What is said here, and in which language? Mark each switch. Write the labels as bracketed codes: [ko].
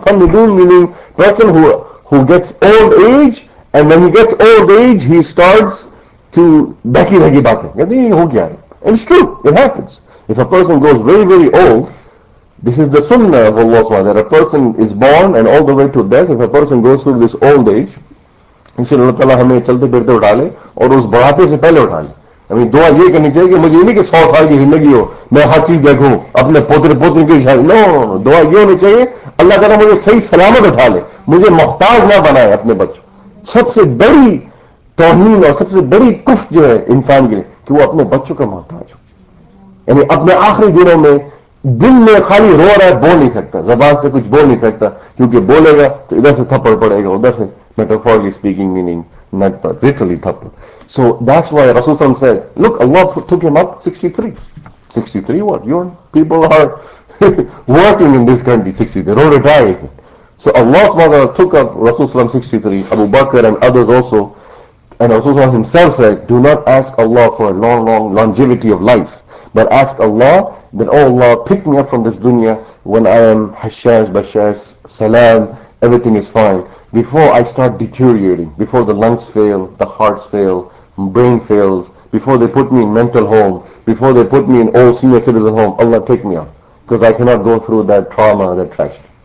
[en] فَنِّدُونَ meaning person who gets old age, and when he gets old age, he starts to [ur] بَكِي رَكِي بَاتِ. [en] It's true, it happens. If a person goes very, very old, this is the sunnah of Allah SWT, that a person is born and all the way to death, if a person goes through this old age, he said, [ur] اللہ تعالیٰ ہمیں چلتے پھرتے اٹھا لے [en] اور اس بڑھاتے سے پہلے اٹھا لے. I mean, [ur] دعا یہ کرنی چاہیے کہ مجھے نہیں کہ 100 سال کی زندگی ہو, میں ہر چیز دیکھوں اپنے پوترے پوتر کی شاید. [en] No. [ur] دعا یہ ہونی چاہیے اللہ تعالیٰ مجھے صحیح سلامت اٹھا لے, مجھے محتاج نہ بنائے اپنے بچوں. سب سے بڑی توہین اور سب سے بڑی کفر جو ہے انسان کے لیے کہ وہ اپنے بچوں کا محتاج ہو, یعنی اپنے آخری دنوں میں دل میں خالی رو رہا ہے, بول نہیں سکتا, زبان سے کچھ بول نہیں سکتا, کیونکہ بولے گا تو ادھر سے تھپڑ پڑے گا, ادھر سے [en] metaphorically speaking meaning not but literally thapar. So that's why Rasulullah said, look, Allah took him up 63 what, your people are working in this country 63, they're all retired. So Allah's mother took up Rasulullah 63, Abu Bakr and others also, and Rasulullah himself said, do not ask Allah for a long longevity of life, but ask Allah that, oh Allah, pick me up from this dunya when I am hashash bashash salam, everything is fine, before I start deteriorating, before the lungs fail, the hearts fail, brain fails, before they put me in mental home, before they put me in old senior citizen home, Allah take me out, because I cannot go through that trauma, that tragedy.